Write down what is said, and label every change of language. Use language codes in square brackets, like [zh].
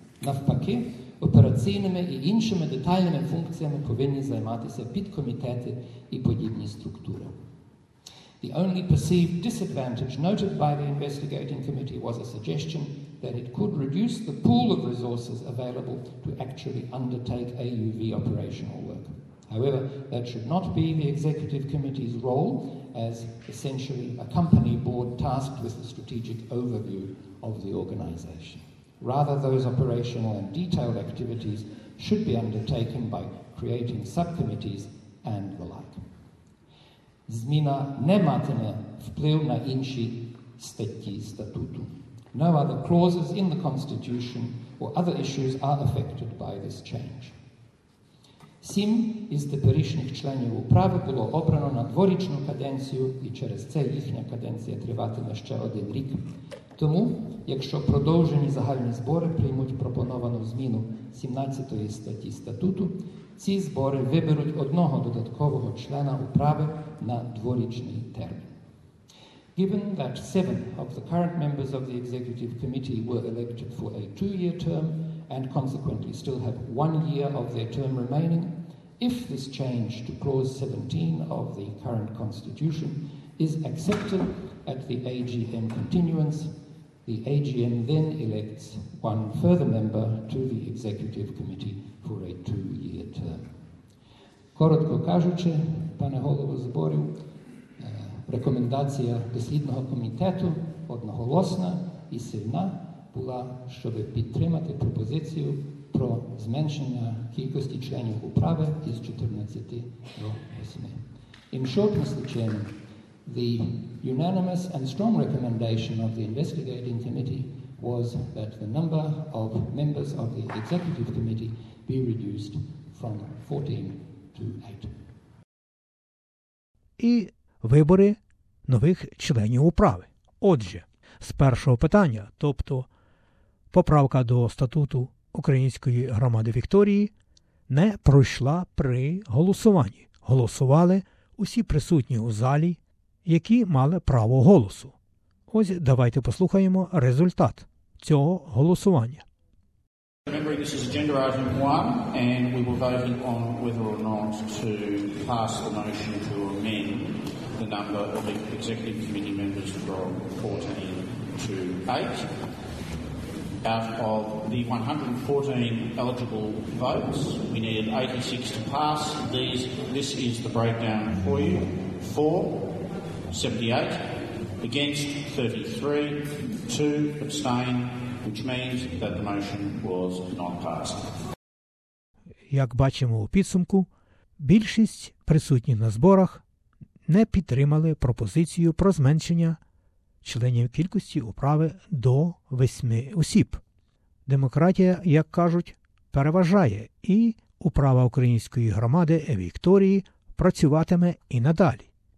[uk] Навпаки, операційними і іншими детальними функціями повинні займатися підкомітети і подібні структури. [en] The only perceived disadvantage noted by the investigating committee was a suggestion that it could reduce the pool of resources available to actually undertake AUV operational work. However, that should not be the executive committee's role, as essentially a company board tasked with the strategic overview of the organization. Rather, those operational and detailed activities should be undertaken by creating subcommittees and the like. [uk] Зміна не матиме вплив на інші статті статуту. [en] No other clauses in the Constitution or other issues are affected by this change. [uk] 7 із теперішніх членів управи було обрано на дворічну каденцію, і через це їхня каденція триватиме ще один рік. Тому, якщо продовжені загальні збори приймуть пропоновану зміну 17 статті статуту, ці збори виберуть одного додаткового члена управи на дворічний термін. [en] Given that 7 of the current members of the executive committee were elected for a 2-year term and consequently still have 1 year of their term remaining, if this change to clause 17 of the current constitution is accepted at the AGM continuance, the AGM then elects one further member to the executive committee for a 2-year term. [uk] Коротко кажучи, пане голово зборів, рекомендація дослідного комітету одноголосна і сильна була, щоб підтримати пропозицію про зменшення кількості членів управи із 14 до 8. [en] In short, Mr. Chairman, the unanimous and strong recommendation of the investigating committee was that the number of members of the executive committee be reduced from 14 to 8. [uk] І вибори нових членів управи. Отже, з першого питання, тобто поправка до статуту Української громади Вікторії, не пройшла при голосуванні. Голосували усі присутні у залі, які мали право голосу. Ось давайте послухаємо результат цього голосування. [en] Remembering this is agenda item 1, and we were voting on whether or not to pass the motion to amend the number of executive committee members from 14 to 8. Out of the 114 eligible votes, we needed 86 to pass. This is the breakdown for you. 4, 78, against 33, 2, abstain, which means that the motion was not passed. [uk] Як бачимо у підсумку, більшість присутніх на зборах не підтримали пропозицію про зменшення членів кількості управи до 8 осіб. Демократія, як кажуть, переважає, і управа української громади Вікторії працюватиме і надалі.